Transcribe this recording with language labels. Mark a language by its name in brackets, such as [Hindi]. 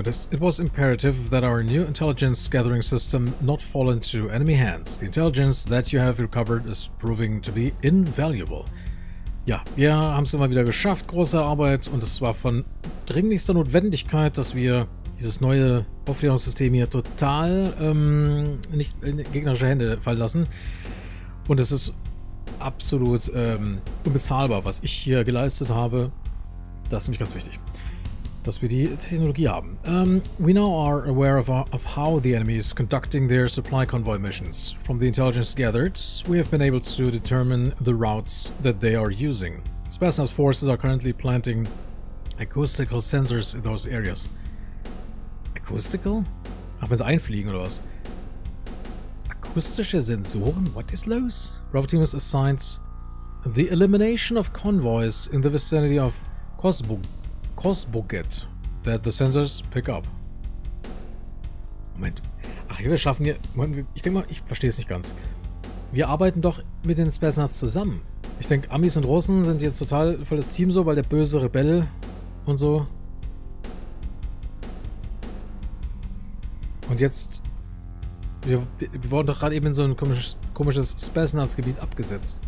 [English] It was imperative that our new intelligence gathering system not fall into enemy hands. The intelligence that you have recovered is proving to be invaluable. [German] Ja, wir haben es immer wieder geschafft. Große Arbeit. Und es war von dringlichster Notwendigkeit, dass wir dieses neue Aufklärungssystem hier total nicht in gegnerische Hände fallen lassen. Und es ist absolut unbezahlbar, was ich hier geleistet habe. Das ist nämlich ganz wichtig, dass wir die Technologie haben. [English] We now are aware of how the enemy is conducting their supply convoy missions. From the intelligence gathered, we have been able to determine the routes that they are using. Spetsnaz forces are currently planting acoustical sensors in those areas. [German] Acoustical? Ach, wenn sie einfliegen oder was? Akustische Sensoren? [English] What is [German] los? [English] Bravo Team is assigned the elimination of convoys in the vicinity of Kosbukit that the sensors pick up. [German] Moment. Ach, wir schaffen hier. Ich denke mal, ich verstehe es nicht ganz. Wir arbeiten doch mit den Spetsnaz zusammen. Ich denke, Amis und Russen sind jetzt total volles Team so, weil der böse Rebell und so. Und jetzt. Wir wurden doch gerade eben in so ein komisches Spetsnaz-Gebiet abgesetzt.